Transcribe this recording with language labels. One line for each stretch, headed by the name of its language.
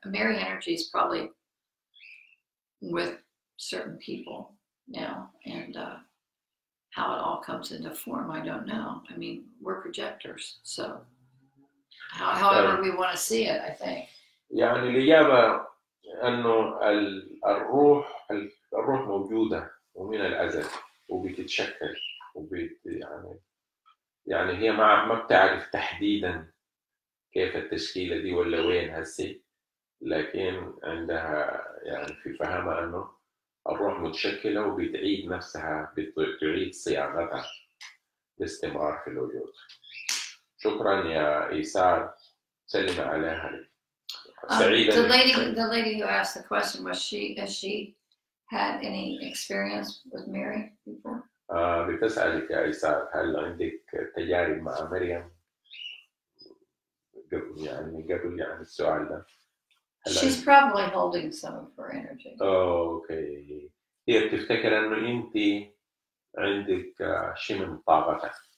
English: And Mary energy is probably with certain people now. And how it all comes into form, I don't know. I mean, we're projectors. So however we want to see it, I think.
Arabic: يعني الإجابة أنه الروح الروح موجودة ومن الأزل وبتتشكل وبت يعني هي ما بتعرف تحديدا كيف التشكيلة دي ولا وين هسي لكن عندها يعني في فهمها أنه الروح متشكلة وبتعيد نفسها بتعيد صياغتها باستمرار في الوجود. شكرا يا إيسار, سلم عليها.
English: The lady who asked the question, has she had any experience with Mary before?
Arabic: بتسألك يا إيسار, هل عندك تجارب مع مريم قبل يعني السؤال ده؟
English: She's probably holding some of her energy. Okay.
Arabic: هي بتفتكر إنه أنت عندك شيء من طاقتها.